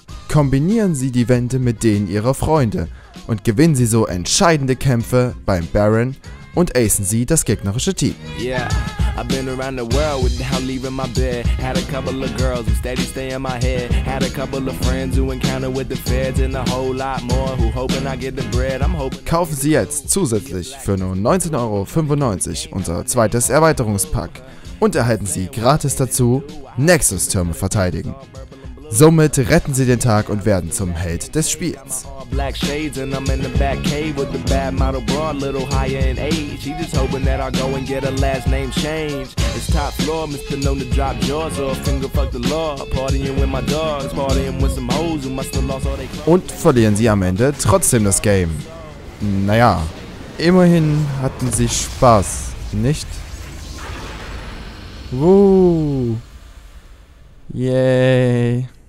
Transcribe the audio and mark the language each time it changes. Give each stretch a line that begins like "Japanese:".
German: Kombinieren Sie die Wände mit denen Ihrer Freunde und gewinnen Sie so entscheidende Kämpfe beim Baron und acen Sie das gegnerische Team.
English: I've been around the world without leaving my bed. Had a couple of girls who steady stay in my head. Had a couple of friends who encounter with the feds and a whole lot more who hoping I get the bread. I'm hoping.
German: Kaufen Sie jetzt zusätzlich für nur 19,95 € unser zweites Erweiterungspack und erhalten Sie gratis dazu Nexus-Türme verteidigen. Somit retten Sie den Tag und werden zum Held des Spiels.
English: Black shades and I'm in the back cave with the bad model broad, little higher in age. She just hoping that I go and get her last name changed. It's top floor, Mr. Known to drop jaws or finger fuck the law. Partying with my dogs, partying with some hoes who must have lost all they.
German: Und verlieren Sie am Ende trotzdem das Game. Naja, immerhin hatten Sie Spaß, nicht? Woo! Yay!